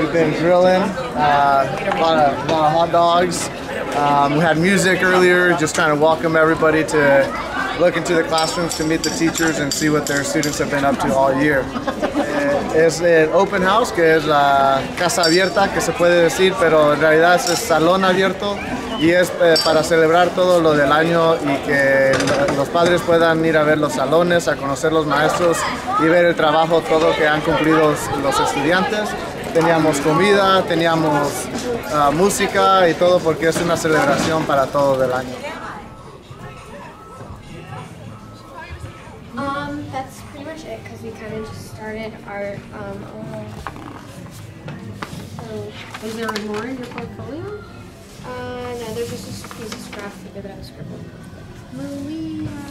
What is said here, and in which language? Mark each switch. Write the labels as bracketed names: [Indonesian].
[English] We've been grilling a lot of hot dogs. We had music earlier, just trying to welcome everybody to look into the classrooms to meet the teachers and see what their students have been up to all year. [Spanish] Es el open house, que es la casa abierta, que se puede decir, pero en realidad es el salón abierto. Y es para celebrar todo lo del año y que los padres puedan ir a ver los salones, a conocer los maestros y ver el trabajo todo que han cumplido los estudiantes. Teníamos comida, teníamos música y todo porque es una celebración para todo del año. [English] That's pretty much it because we kind of just started our So, is there more in your portfolio? No, there's just a piece of scrap that I've scribbled. Malia!